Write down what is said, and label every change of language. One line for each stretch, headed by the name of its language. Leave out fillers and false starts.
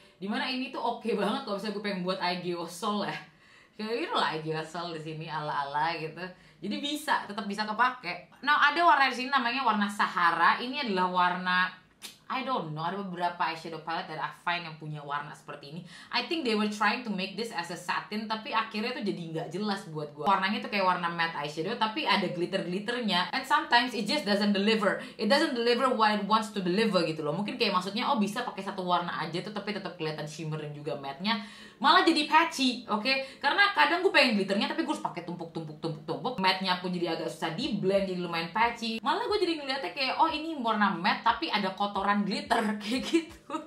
Indonesian: Dimana ini tuh oke banget kalau misalnya gue pengen buat eye gyosol ya. Kayak ini lah eye gyosol di sini ala-ala gitu. Jadi bisa, tetap bisa kepake. Nah ada warna di sini namanya warna Sahara. Ini adalah warna,
English: I don't know,
Indonesian: ada beberapa eyeshadow palette
English: that I find
Indonesian: yang punya warna seperti ini.
English: I think they were trying to make this as a satin,
Indonesian: tapi akhirnya tuh jadi gak jelas buat gue. Warnanya tuh kayak warna matte eyeshadow, tapi ada glitter-glitternya.
English: And sometimes it just doesn't deliver. It doesn't deliver what it wants to deliver
Indonesian: gitu loh. Mungkin kayak maksudnya, oh bisa pakai satu warna aja tuh, tapi tetap kelihatan shimmering juga matte-nya. Malah jadi patchy, oke? Karena kadang gue pengen glitternya, tapi gue harus pakai tumpuk-tumpuk-tumpuk-tumpuk. Matte-nya pun jadi agak susah di blend, jadi lumayan patchy. Malah gue jadi ngeliatnya kayak, oh ini warna matte, tapi ada kotoran glitter, kayak gitu.